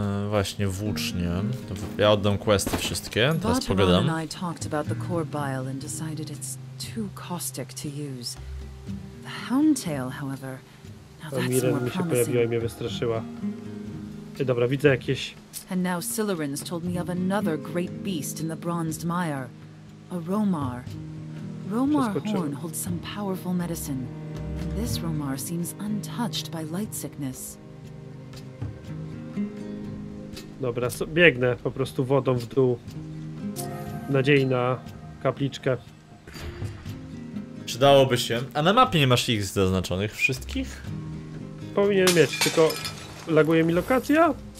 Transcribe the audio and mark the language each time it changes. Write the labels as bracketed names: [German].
[Polish] Właśnie, włócznie. Ja oddam questy wszystkie, teraz pogadam. Bartman i ja rozmawialiśmy o core bile i zdecydowaliśmy, że jest zbyt kostyczne do użycia. [English] Houndtail, however, [Polish] teraz to bardziej promising. Mi się pojawiła i mnie wystraszyła. Dobra, widzę jakieś... [English] And now Silurin's told me of another great beast in the Bronzed Mire. A Romar. Romar Horn holds some powerful medicine. This Romar seems untouched by light sickness. [Polish] Dobra, biegnę po prostu wodą w dół. Nadziei na kapliczkę. Przydałoby się. A na mapie nie masz ich zaznaczonych wszystkich? Powinien mieć, tylko laguje mi lokacja.